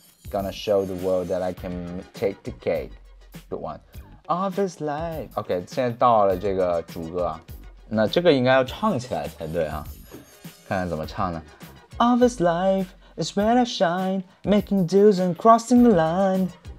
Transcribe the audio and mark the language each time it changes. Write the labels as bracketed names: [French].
[English] Gonna show the world that I can take the cake. Good one. Office life. [Chinese] OK，现在到了这个主歌啊，那这个应该要唱起来才对啊，看看怎么唱呢。 [English] Office life is where I shine, making deals and crossing the line.